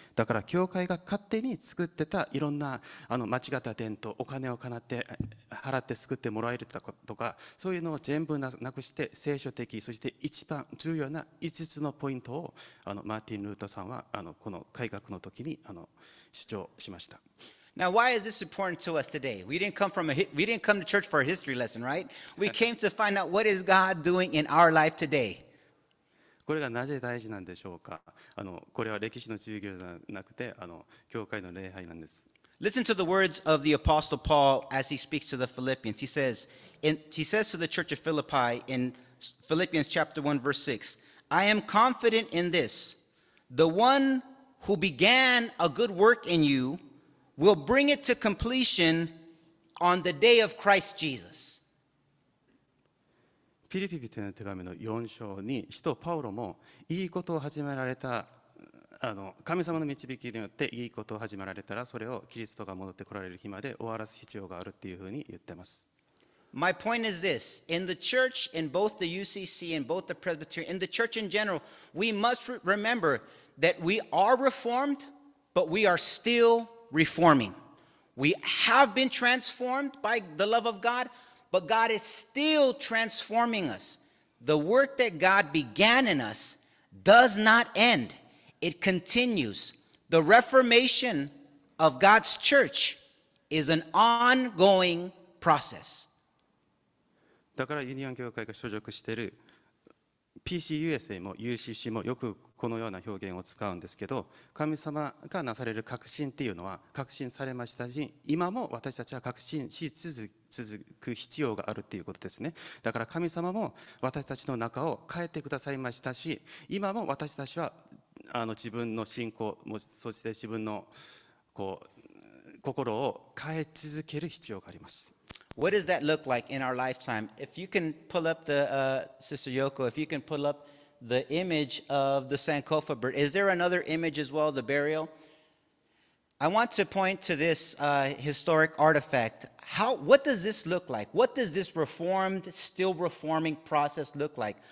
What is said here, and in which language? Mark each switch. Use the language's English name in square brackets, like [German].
[Japanese] だから教会が勝手に作ってたいろんなあの間違った伝統、お金を払って救ってもらえるとか、そういうのを全部なくして、聖書的、そして一番重要な5つのポイントをあのマーティン・ルーターさんはあのこの改革の時にあの主張しました。 [English] Now, why is this important to us today? We didn't come to church for a history lesson, right? We came to find out what is God doing in our life today. [Japanese] これがなぜ大事なんでしょうか？あの、これは歴史の授業ではなくて、あの、教会の礼拝なんです。 [English] Listen to the words of the Apostle Paul as he speaks to the Philippians. He says to the church of Philippi in Philippians chapter 1, verse 6, I am confident in this. The one who began a good work in youWill bring it to completion on the day of Christ Jesus. [Japanese] ピリピ人への手紙の4章に使徒パウロもいいことを始められた、あの神様の導きによっていいことを始められたら、それをキリストが戻ってこられる日まで終わらす必要があるっていうふうに言ってます。 [English] My point is this: in the church, in both the UCC and both the Presbytery, in the church in general, we must remember that we are reformed, but we are still. Reforming. We have been transformed by the love of God, but God is still transforming us. The work that God began in us does not end. It continues. The reformation of God's church is an ongoing process. [Japanese] だからユニオン教会が所属している PCUSA も UCC もよくこのような表現を使うんですけど、神様がなされる革新っていうのは革新されましたし、今も私たちは革新し続く必要があるっていうことですね。だから神様も私たちの中を変えてくださいましたし、今も私たちはあの自分の信仰も、そして自分のこう心を変え続ける必要があります。 [English] What does that look like in our lifetime? If you can pull up the Sister Yoko, if you can pull upThe image of the Sankofa bird. Is there another image as well, the burial? I want to point to this historic artifact. What does this look like? What does this reformed, still reforming process look like?